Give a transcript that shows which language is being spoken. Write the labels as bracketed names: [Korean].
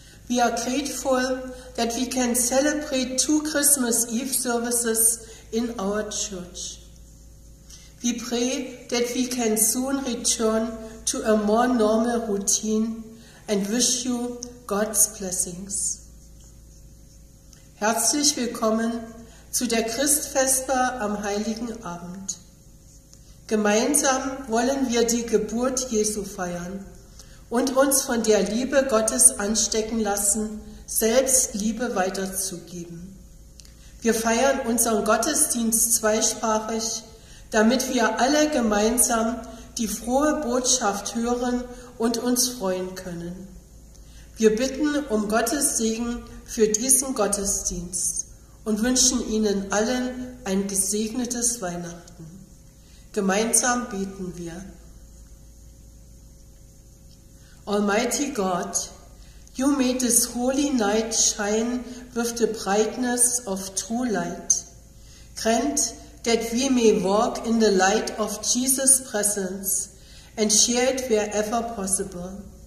[English] We are grateful that we can celebrate two Christmas Eve services in our church. We pray that we can soon return to a more normal routine and wish you God's blessings. [German] Herzlich willkommen zu der Christfesper am Heiligen Abend. Gemeinsam wollen wir die Geburt Jesu feiern und uns von der Liebe Gottes anstecken lassen, selbst Liebe weiterzugeben. Wir feiern unseren Gottesdienst zweisprachig, damit wir alle gemeinsam die frohe Botschaft hören und uns freuen können. Wir bitten um Gottes Segen für diesen Gottesdienst und wünschen Ihnen allen ein gesegnetes Weihnachten. Gemeinsam beten wir. [English] Almighty God, you made this holy night shine with the brightness of true light. Grant that we may walk in the light of Jesus' presence and share it wherever possible.